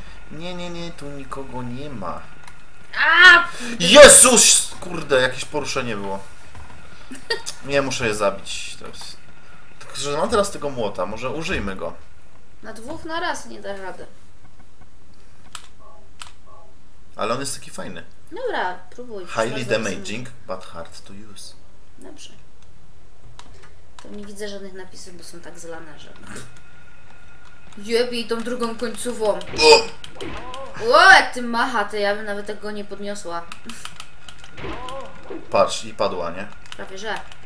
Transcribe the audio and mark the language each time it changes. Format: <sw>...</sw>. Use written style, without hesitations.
<pl>Nie, nie, nie, tu nikogo nie ma. Jezus! Kurde, jakieś poruszenie było. Nie, muszę je zabić. Tylko, że mam teraz tego młota, może użyjmy go. Na dwóch na raz nie da rady. Ale on jest taki fajny. Dobra, próbuj.</pl> <en>Highly damaging, but hard to use.</en> <pl>Dobrze. To nie widzę żadnych napisów, bo są tak zlane, że... Jebi tą drugą końcową. O, jak ty macha, ty, ja bym nawet tego nie podniosła. Patrz, i padła, nie? Prawie że.</pl>